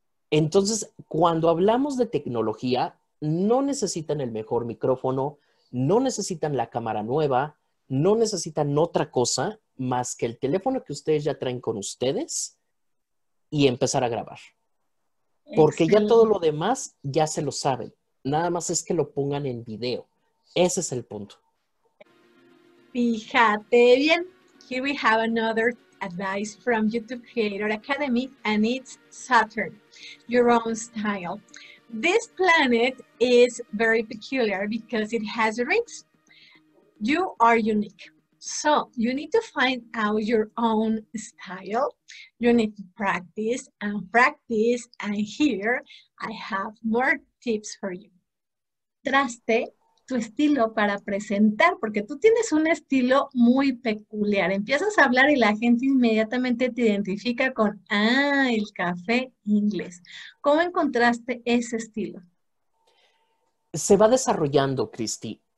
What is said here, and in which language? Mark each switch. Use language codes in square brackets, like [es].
[es] Entonces, cuando hablamos de tecnología, no necesitan el mejor micrófono, no necesitan la cámara nueva, no necesitan otra cosa más que el teléfono que ustedes ya traen con ustedes y empezar a grabar. Porque excelente, ya todo lo demás ya se lo saben. Nada más es que lo pongan en video. Ese es el punto. Fíjate bien. [en] Here we have another advice from YouTube Creator Academy, and it's Saturn, your own style. This planet is very peculiar because it has rings. You are unique. So you need to find out your own style. You need to practice and practice. And here I have more tips for you. [es] Traste tu estilo para presentar, porque tú tienes un estilo muy peculiar. Empiezas a hablar y la gente inmediatamente te identifica con, el café inglés. ¿Cómo encontraste ese estilo? Se va desarrollando, Cristi.